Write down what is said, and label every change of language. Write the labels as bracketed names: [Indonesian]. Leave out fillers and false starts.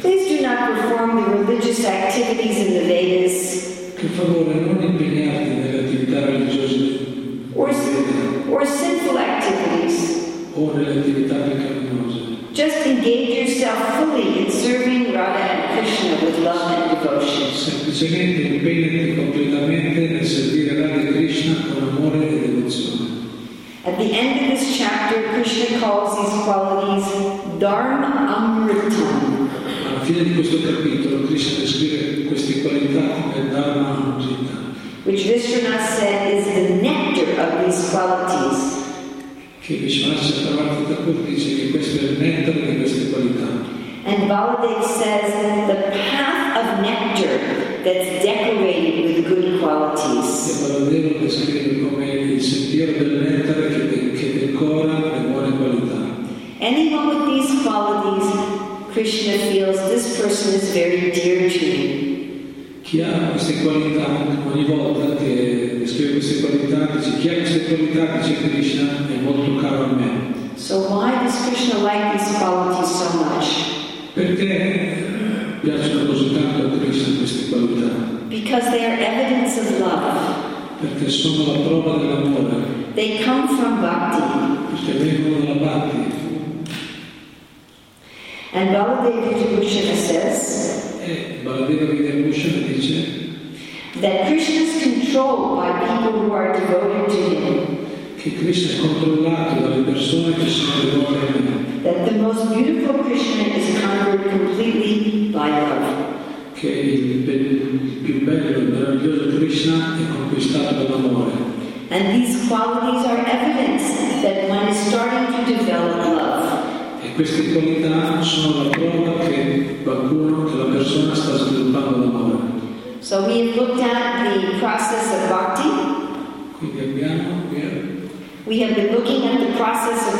[English] please do not perform the religious activities in the Vedas. [Italian] Che favore, non impegnarti nelle attività religiose. [English] Or sinful activities. [Italian] O nelle attività peccaminose. [English] Just engage yourself fully in serving Radha and Krishna with love and devotion. [Italian] Semplicemente impegnati completamente nel servire Radha e Krishna con amore e devozione. [English] At the end of this chapter, Krishna calls these qualities dharma amritam. [Italian] Alla fine di questo capitolo, Krishna descrive queste qualità come dharma amritam. [English] Which Vishwanatha said is the nectar of these qualities. [Italian] Che Vishwanatha Saravata dice che questo è il nectar di queste qualità. [English] And Baladev says the path of nectar that's decorated with good qualities. [Italian] E Baladev descrive come il sentiero del nettare che decora le buone qualità. [English] Anyone with these qualities, Krishna feels this person is very dear to me. [Italian] Chi ha queste qualità, ogni volta che descrive queste qualità, dice chi ha queste qualità, dice Krishna, è molto caro a me. [English] So why does Krishna like these qualities so much? [Italian] Perché piacciono così tanto a Krishna queste qualità? [English] Because they are evidence of love. [Italian] Perché sono la prova dell'amore. [English] They come from bhakti. [Italian] Perché vengono dalla bhakti. [English] And Baladeva Vidyabhushana says. [Italian] E Baladeva Vidyabhushana dice. [English] That Krishna is controlled by people who are devoted to him. [Italian] Che Krishna è controllato dalle persone che sono devote a lui. [English] That the most beautiful Krishna is conquered completely by love. [Italian] Che il più bello, meraviglioso Krishna è conquistato dall'amore. [English] And these qualities are evidence that one is starting to develop love. [Italian] E queste qualità sono la prova che qualcuno, che la persona sta sviluppando l'amore. [English] So we have looked at the process of bhakti. [Italian] Quindi abbiamo qui. [English] We have been looking at the process of